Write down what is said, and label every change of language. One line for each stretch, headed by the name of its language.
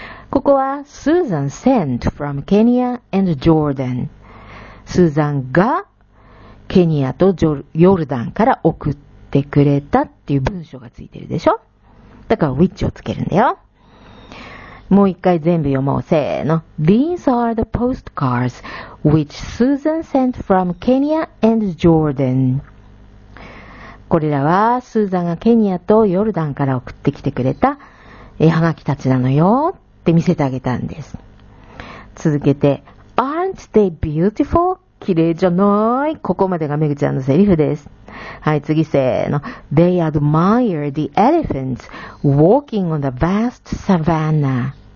Japanese: ここは、
English: Susan sent from Kenya and Jordan。
Japanese: スーザンが、ケニアとヨルダンから送った。てくれたっていう文章がついてるでしょ。だから which をつけるんだよ。もう一回全部読もう。せーの。
English: These are the postcards which Susan sent from Kenya and Jordan.
Japanese: これらはスーザンがケニアとヨルダンから送ってきてくれた絵はがきたちなのよって見せてあげたんです。続けて、
English: Aren't they beautiful?
Japanese: 綺麗じゃない。ここまでがめぐちゃんのセリフです。はい、次せーの。
English: They admire the elephants walking on the vast savannah.